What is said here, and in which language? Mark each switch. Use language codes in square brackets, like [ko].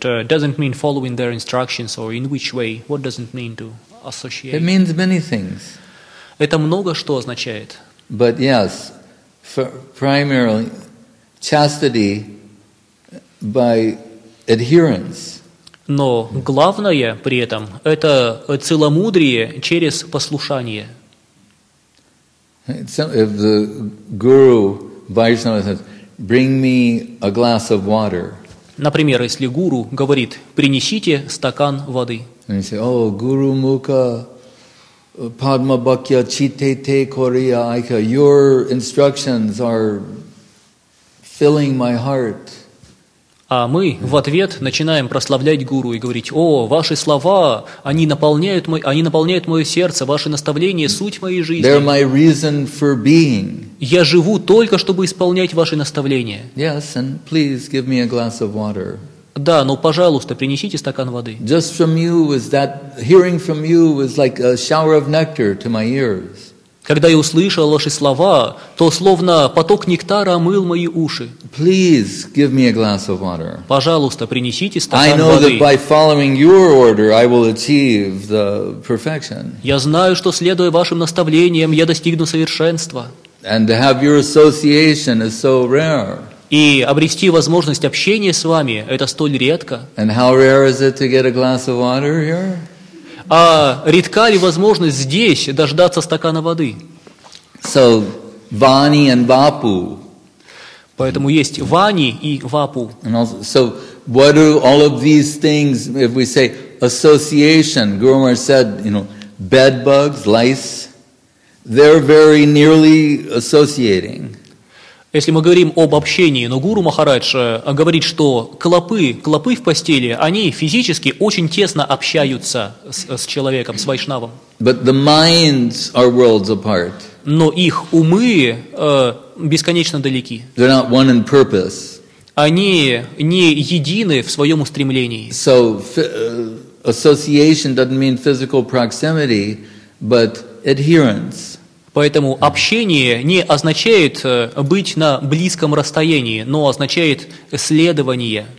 [en] Doesn't mean following their instructions, or in which way? What does it mean to associate? It means many things. [ru] Это много что означает. [en] But yes, primarily chastity by adherence. [ru] Но главное при этом – это целомудрие через послушание. [en] If the guru Vaishnava says, bring me a glass of water. [ru] Например, если гуру говорит, принесите стакан воды. [en] And you say, oh, [bn] guru mukha, padma bhakya, chite te koriya aika, [en] your instructions are filling my heart. [ru] А мы в ответ начинаем прославлять гуру и говорить, о, ваши слова, они наполняют мое сердце, ваши наставления, суть моей жизни. [en] They're my reason for being. [ru] Я живу только, чтобы исполнять ваши наставления. [en] Yes, and please give me a glass of water. [ru] Да, но, пожалуйста, принесите стакан воды. [en] Just from you was that, hearing from you was like a shower of nectar to my ears. [ru] Когда я услышал ваши слова, то словно поток нектара омыл мои уши. [en] Please give me a glass of water. [ru] Пожалуйста, принесите стакан [en] воды. I know [ru] воды. [en] That by following your order, I will achieve the perfection. [ru] Я знаю, что следуя вашим наставлениям, я достигну совершенства. [en] And to have your association is so rare. [ru] И обрести возможность общения с вами – это столь редко. [en] And how rare is it to get a glass of water here? [ru] А редка ли возможность здесь дождаться стакана воды? [en] So, Vani and Vapu. [ru] Поэтому есть Вани и Вапу. [en] And also, so, what do all of these things, if we say association, Guru Maharaj said, you know, bed bugs, lice, they're very nearly associating. [ru] Если мы говорим об общении, но Гуру Махарадж говорит, что клопы в постели, они физически очень тесно общаются с человеком, с вайшнавом. [en] But the minds are worlds apart. [ru] Но их умы бесконечно далеки. [en] They're not one in purpose. [ru] Они не едины в своем устремлении. [en] So, association doesn't mean physical proximity, but adherence. [ru] Поэтому общение не означает быть на близком расстоянии, но означает следование.